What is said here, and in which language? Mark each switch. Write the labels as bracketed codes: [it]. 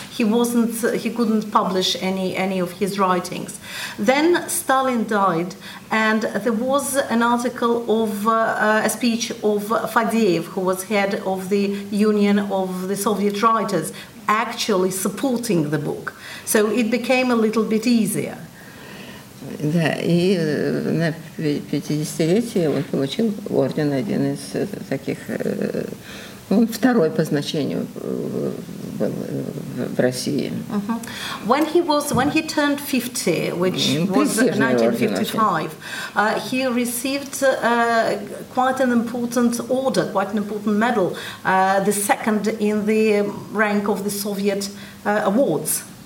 [en] He couldn't publish any of his writings. Then Stalin died, and there was an article of a speech of Fadeev, who was head of the Union of the Soviet Writers, actually supporting the book. So it became a little bit easier. [ru] Да, и на 50-летие он получил орден, один из таких Второй по значению был в России. [en] When he was when he turned 50, which was 1955, he received quite an important order, quite an important medal, the second in the rank of the Soviet awards.